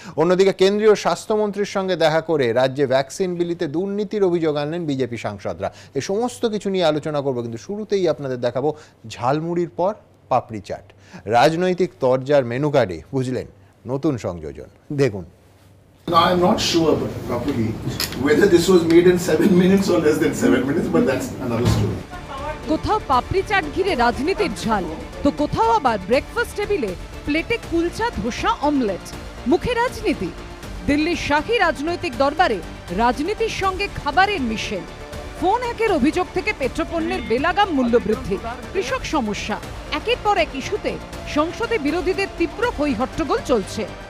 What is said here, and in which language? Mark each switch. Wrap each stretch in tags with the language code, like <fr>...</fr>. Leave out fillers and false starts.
<bn>অন্যদিকে কেন্দ্রীয় স্বাস্থ্যমন্ত্রীর সঙ্গে দেখা করে রাজ্যে ভ্যাকসিন বিলিতে দুর্নীতির অভিযোগ আনলেন বিজেপি সাংসদরা। এই সমস্ত কিছু নিয়ে আলোচনা করব, কিন্তু শুরুতেই আপনাদের দেখাবো ঝালমুড়ির পর পাপড়ি চাট, রাজনৈতিক তরজার মেনু কার্ডে বুঝলেন নতুন সংযোজন, দেখুন।</bn> <en>Now, I'm not sure properly whether this was made in 7 minutes or less than 7 minutes, but that's another story.</en> <bn>কোথাও পাপড়ি চাট ঘিরে রাজনীতির ঝাল, তো কোথাও আবার ব্রেকফাস্ট টেবিলে প্লেটে কুলচা ধোসা অমলেট, মুখে রাজনীতি। দিল্লির শাহি রাজনৈতিক দরবারে রাজনীতির সঙ্গে খাবারের মিশেল। ফোন হ্যাকের অভিযোগ থেকে পেট্রোপণ্যের বেলাগাম মূল্যবৃদ্ধি, কৃষক সমস্যা, একের পর এক ইস্যুতে সংসদে বিরোধীদের তীব্র হই হট্টগোল চলছে।</bn>